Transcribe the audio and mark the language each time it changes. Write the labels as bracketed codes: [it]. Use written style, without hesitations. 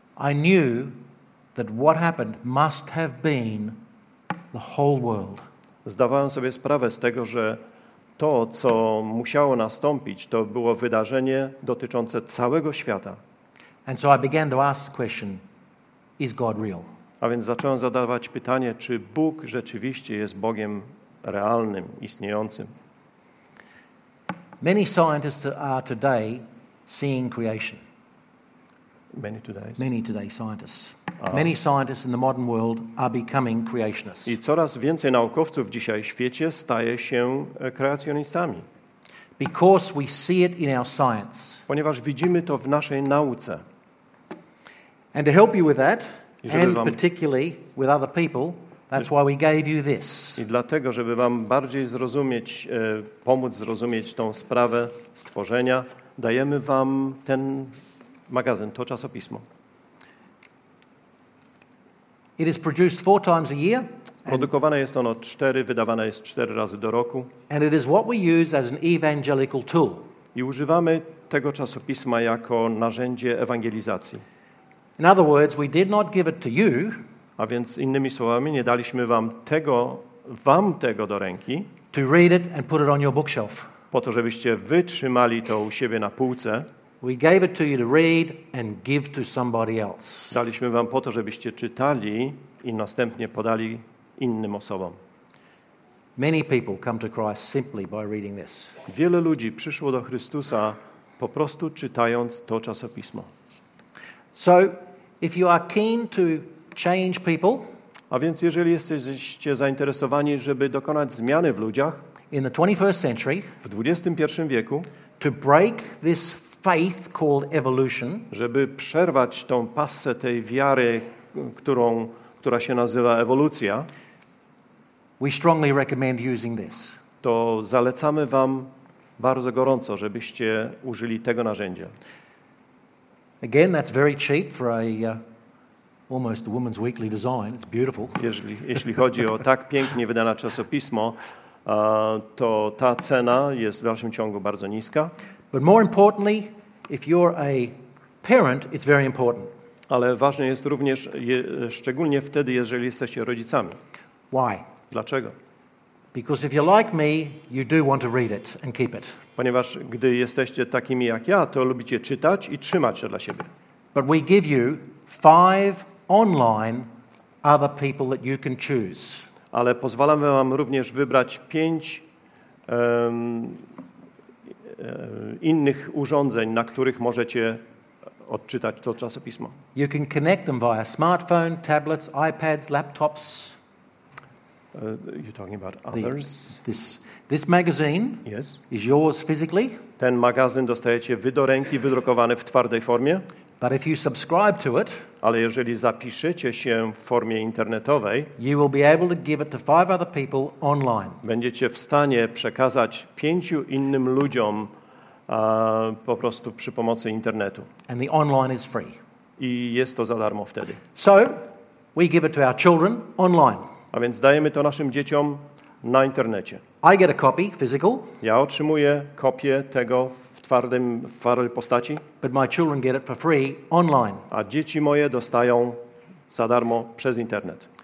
[en] I knew that what happened must have been the whole world. [pl] Zdawałem sobie sprawę z tego, że to, co musiało nastąpić, to było wydarzenie dotyczące całego świata. [en] And so I began to ask the question, is God real? [pl] A więc zacząłem zadawać pytanie, czy Bóg rzeczywiście jest Bogiem realnym, istniejącym. [en] Many scientists are today seeing creation. Many today scientists. Many scientists in the modern world are becoming creationists. [pl] I coraz więcej naukowców dzisiaj w świecie staje się kreacjonistami. [en] Because we see it in our science. [pl] Ponieważ widzimy to w naszej nauce. [en] And to help you with that, and particularly with other people, that's why we gave you this. [pl] I dlatego, żeby wam bardziej zrozumieć, pomóc zrozumieć tą sprawę stworzenia, dajemy wam ten magazyn, to czasopismo. [en] It is produced four times a year. [pl] Produkowane jest ono cztery, wydawane jest cztery razy do roku. [en] And it is what we use as an evangelical tool. [pl] I używamy tego czasopisma jako narzędzie ewangelizacji. [en] In other words, we did not give it to you. [pl] A więc innymi słowami, nie daliśmy wam tego do ręki. [en] To read it and put it on your bookshelf. [pl] Po to, żebyście wytrzymali to u siebie na półce. [en] We gave it to you to read and give to somebody else. [pl] Daliśmy wam po to, żebyście czytali i następnie podali innym osobom. [en] Many people come to Christ simply by reading this. [pl] Wiele ludzi przyszło do Chrystusa po prostu czytając to czasopismo. [en] So, if you are keen to change people, [pl] a więc jeżeli jesteście zainteresowani, żeby dokonać zmiany w ludziach [en] in the 21st century, [pl] w XXI wieku, [en] to break this faith called evolution, [pl] żeby przerwać tą passę tej wiary, która się nazywa ewolucja, [en] we strongly recommend using this. [pl] To zalecamy wam bardzo gorąco, żebyście użyli tego narzędzia. [en] Again, that's very cheap for almost a woman's weekly design. It's beautiful. [pl] Jeśli chodzi o tak pięknie wydane czasopismo, to ta cena jest w dalszym ciągu bardzo niska. [en] But more importantly, if you're a parent, it's very important. [pl] Ale ważne jest również, szczególnie wtedy, jeżeli jesteście rodzicami. [en] Why? [pl] Dlaczego? [en] Because if you're like me, you do want to read it and keep it. [pl] Ponieważ gdy jesteście takimi jak ja, to lubicie czytać i trzymać to dla siebie. [en] But we give you five online other people that you can choose. [pl] Ale pozwalamy wam również wybrać pięć innych urządzeń, na których możecie odczytać to czasopismo. [en] You can connect them via smartphone, tablets, iPads, laptops. You're talking about others. This magazine, yes, is yours physically. [pl] Ten magazyn dostajecie wy do ręki, wydrukowany w twardej formie. [en] But if you subscribe to it, [pl] ale jeżeli zapiszecie się w formie internetowej, [en] you will be able to give it to five other people online. [pl] Będziecie w stanie przekazać pięciu innym ludziom po prostu przy pomocy internetu. [en] And the online is free. [pl] I jest to za darmo wtedy. [en] So we give it to our children online. [pl] A więc dajemy to naszym dzieciom na internecie. [en] I get a copy, physical. [pl] Ja otrzymuję kopię tego w twardej postaci. [en] But my children get it for free online. [pl] A dzieci moje dostają za darmo przez internet.